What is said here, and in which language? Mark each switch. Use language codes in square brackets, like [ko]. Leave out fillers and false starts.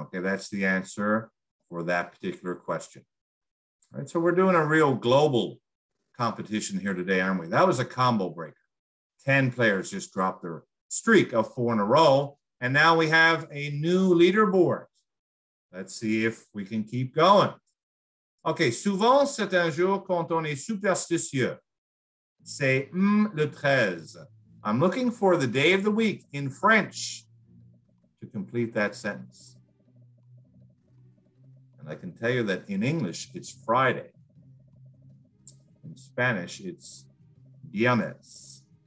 [en] Okay, that's the answer for that particular question. All right, so we're doing a real global competition here today, aren't we? That was a combo breaker. 10 players just dropped their streak of 4 in a row, and now we have a new leaderboard. Let's see if we can keep going. [fr] Okay, souvent c'est un jour quand on est superstitieux. C'est le 13. [en] I'm looking for the day of the week in French to complete that sentence. And I can tell you that in English, it's Friday. In Spanish, it's viernes.